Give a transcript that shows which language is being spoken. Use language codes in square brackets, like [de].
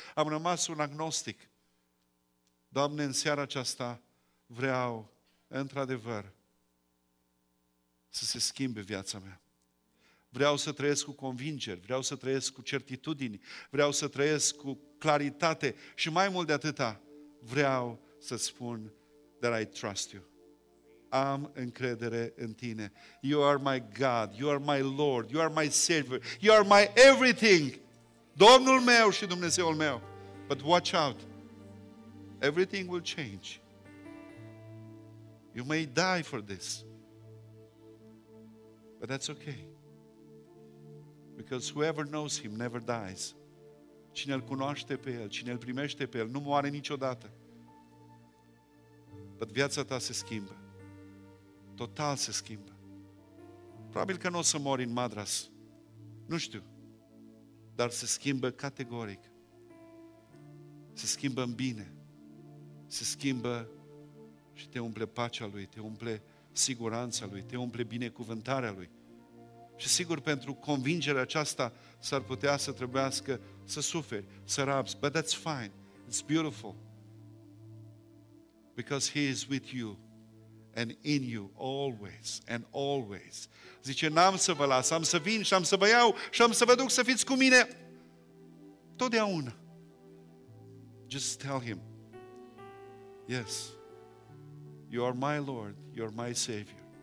[ro] Am rămas un agnostic. Doamne, în seara aceasta vreau, într-adevăr, să se schimbe viața mea. Vreau să trăiesc cu convingeri, vreau să trăiesc cu certitudini, vreau să trăiesc cu claritate și mai mult de atâta, vreau să spun [en] that I trust you. [ro] Am încredere în tine. [en] You are my God, you are my Lord, you are my Savior, you are my everything. [ro] Domnul meu și Dumnezeul meu. [en] But watch out. Everything will change. You may die for this. But that's okay. Because whoever knows him never dies. [ro] Cine îl cunoaște pe el, cine îl primește pe el, nu moare niciodată. Dar viața ta se schimbă. Total se schimbă. Probabil că nu o să mori în Madras. Nu știu. Dar se schimbă categoric. Se schimbă în bine. Se schimbă și te umple pacea lui, te umple siguranța lui, te umple binecuvântarea lui. Și sigur, pentru convingerea aceasta s-ar putea să trebuiască să suferi, să rabzi. [en] But that's fine. It's beautiful. Because He is with you and in you always and always. [ro] Zice, n-am să vă las, am să vin și am să vă iau și am să vă duc să fiți cu mine totdeauna. [en] Just tell Him, yes, you are my Lord, you are my Savior.